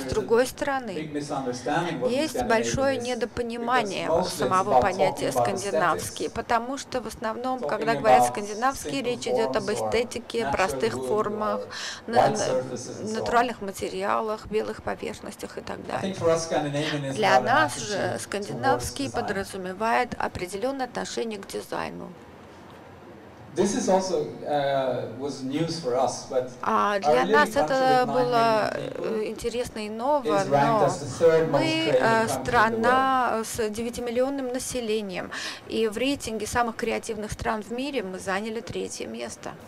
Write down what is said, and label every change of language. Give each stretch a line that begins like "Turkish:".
Ukrainian: з другої сторони, є велике недопонимання самого поняття скандинавське, тому що в основному, коли говорять скандинавське, річ йде об естетиці, простих формах, натуральних матеріалах, білих поверхностях. І так далі. Для нас же скандинавський підрозуміває
Russian: определенне отношение к дизайну.
English: This is also was news for us, but
Ukrainian: а для нас це було інтересно і ново, но ми страна з 9-мільйонним населенням, і в рейтингі самих креативних стран в мірі ми зайняли третє місце.